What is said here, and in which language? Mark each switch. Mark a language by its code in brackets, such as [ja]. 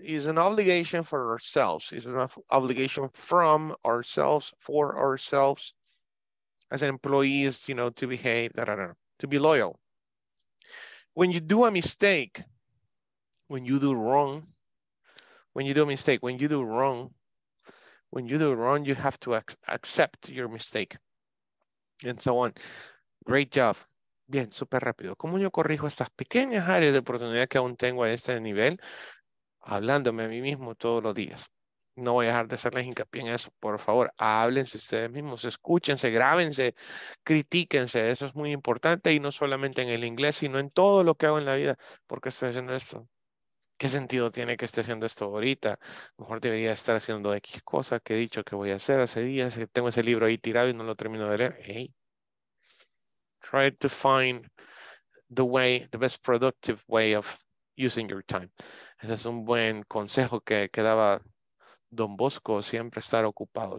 [en] Is an obligation for ourselves. Is an obligation from ourselves, for ourselves, as employees, you know, to behave, to be loyal. When you do a mistake, when you do wrong, you have to accept your mistake. And so on. Great job. [es] Bien, súper rápido. ¿Cómo yo corrijo estas pequeñas áreas de oportunidad que aún tengo a este nivel? Hablándome a mí mismo todos los días. No voy a dejar de hacerles hincapié en eso. Por favor, háblense ustedes mismos. Escúchense, grábense, critíquense. Eso es muy importante. Y no solamente en el inglés, sino en todo lo que hago en la vida. ¿Por qué estoy haciendo esto? ¿Qué sentido tiene que esté haciendo esto ahorita? Mejor debería estar haciendo X cosas que he dicho que voy a hacer hace días. Tengo ese libro ahí tirado y no lo termino de leer. [en] Hey. Try to find the way, the best productive way of using your time. [es] Ese es un buen consejo que daba Don Bosco, siempre estar ocupado.